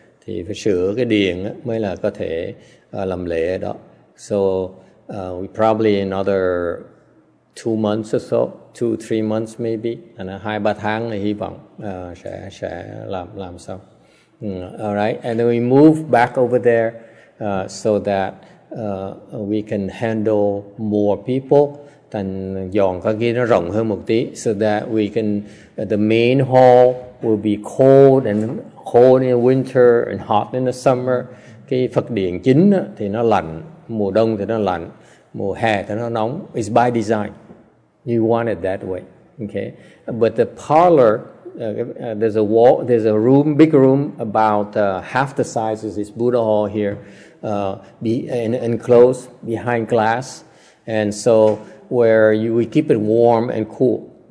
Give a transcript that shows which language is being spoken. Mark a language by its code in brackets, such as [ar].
[vi] Thì phải sửa cái điện mới là có thể làm lễ đó. [en] So we probably another 2 months or so, 2-3 months maybe, and [vi] 2-3 tháng là hy vọng sẽ làm xong. [en] All right, and then we move back over there so that we can handle more people. [vi] Thành dọn cái kia nó rộng hơn một tí, [en] so that we can the main hall will be cold in winter and hot in the summer. [vi] Cái Phật điện chính á, thì nó lạnh, mùa đông thì nó lạnh, mùa hè thì nó nóng. [en] It's by design. You want it that way. Okay, but the parlor, there's a wall, there's a room, big room, about half the size of this Buddha hall here, enclosed behind glass, and so where you, we keep it warm and cool.